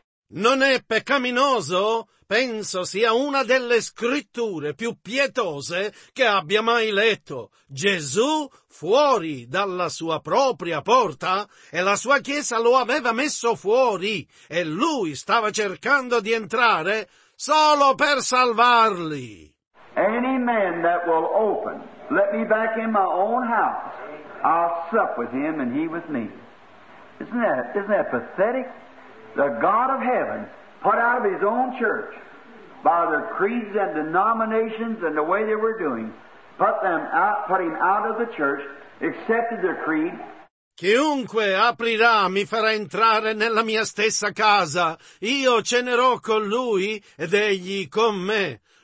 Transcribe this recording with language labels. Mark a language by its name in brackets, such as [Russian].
[Italian] Non è peccaminoso? Penso sia una delle scritture più pietose che abbia mai letto. Gesù fuori dalla sua propria porta e la sua chiesa lo aveva messo fuori e lui stava cercando di entrare solo per salvarli. [English] Any man that will open, let me back in my own house, I'll sup with him and he with me. Isn't that pathetic? The God of heaven put out of his own church by the creeds and denominations and the way they were doing, put him out of the church, accepted their creed. [Italian] Chiunque aprirà mi farà entrare nella mia stessa casa, io cenerò con lui ed egli con me.